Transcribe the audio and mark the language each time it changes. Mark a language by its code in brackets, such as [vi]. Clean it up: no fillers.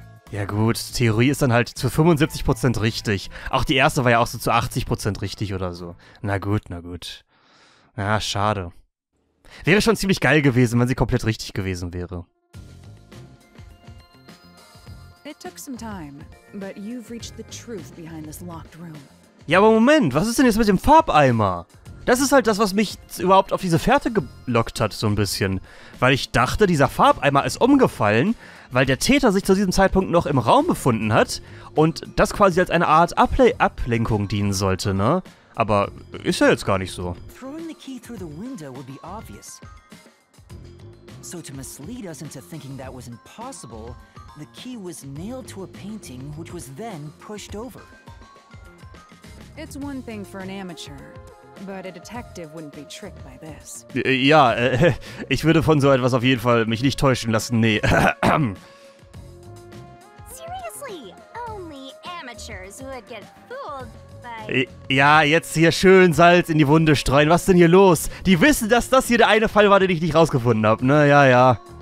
[de] Ja gut, Theorie ist dann halt zu 75% richtig. Auch die erste war ja auch so zu 80% richtig oder so. Na gut, na gut. Ja, schade. Wäre schon ziemlich geil gewesen, wenn sie komplett richtig gewesen wäre. [en] It took some time, but you've reached the truth behind this locked room. [de] Ja, aber Moment, was ist denn jetzt mit dem Farbeimer? Das ist halt das, was mich überhaupt auf diese Fährte gelockt hat, so ein bisschen. Weil ich dachte, dieser Farbeimer ist umgefallen, weil der Täter sich zu diesem Zeitpunkt noch im Raum befunden hat und das quasi als eine Art Ablenkung dienen sollte, ne? Aber ist ja jetzt gar nicht so. [en] Throwing the key through the window would be obvious. So to mislead us into thinking that was impossible, the key was nailed to a painting, which was then pushed over. It's one thing for an amateur, but a detective wouldn't be tricked by this. [de] Ja, ich würde von so etwas auf jeden Fall mich nicht täuschen lassen, nee. [en] Seriously, only amateurs would get fooled by... [de] Ja, jetzt hier schön Salz in die Wunde streuen, was ist denn hier los? Die wissen, dass das hier der eine Fall war, den ich nicht rausgefunden habe, ne, ja, ja.